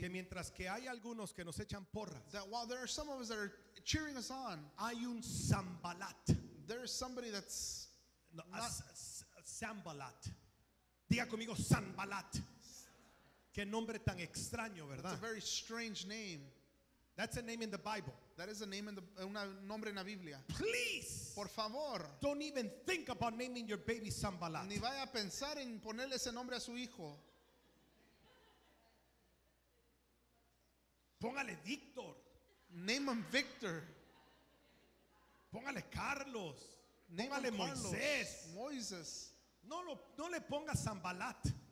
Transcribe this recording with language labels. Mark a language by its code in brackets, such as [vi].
[es] Que mientras que hay algunos que nos echan porras, [en] that while there are some of us that are cheering us on, [es] hay un Sambalat. [en] There is somebody that's no, not [es] Sambalat. Diga conmigo Sambalat. Qué nombre tan extraño, ¿verdad? [en] It's a very strange name. That's a name in the Bible. That is a name in the [es] una nombre en la Biblia. [en] Please, [es] por favor, [en] don't even think about naming your baby Sambalat. [es] Ni vaya a pensar en ponerle ese nombre a su hijo. Póngale Víctor. [en] Name him Victor. [es] Póngale Carlos. [en] Name [es] póngale [en] Carlos. [es] Moisés. [en] Moses. [es] No le ponga Sambalat.